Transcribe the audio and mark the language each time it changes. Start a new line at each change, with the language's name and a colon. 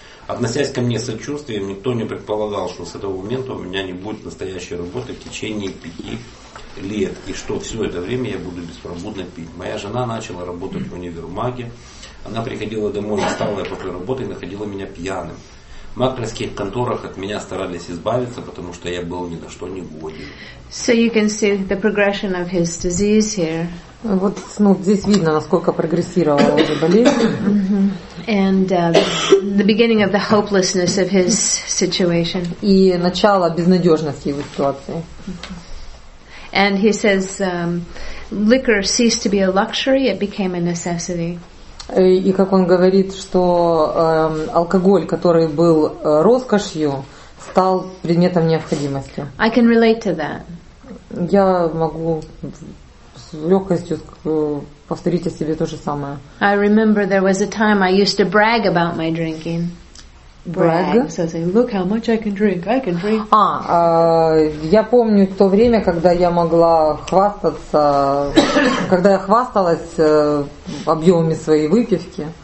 Russian: Относясь ко мне с сочувствием, никто не предполагал, что с этого момента у меня не будет настоящей работы в течение 5 лет, и что все это время я буду беспробудно пить. Моя жена начала работать в универмаге. Она приходила домой, усталая после работы, и находила меня пьяным. В маклерских конторах от меня старались избавиться, потому что я был ни на что не годен.
English: So you can see the progression of his disease here.
Russian: Вот, ну, здесь видно, насколько прогрессировала его болезнь.
English: And the beginning of the hopelessness of his situation.
Russian: И начало безнадежности его ситуации.
English: And he says, liquor ceased to be a luxury, it became a necessity.
Russian: И как он говорит, что алкоголь, который был роскошью, стал предметом необходимости.
English: I can relate to that.
Russian: Я могу с легкостью повторить о себе то же самое.
English: I remember there was a time I used to brag about my drinking. Brag? So I say, look how much I can drink, I can drink.
Russian: Я помню то время, когда я могла хвастаться, когда я хвасталась объемами своей выпивки.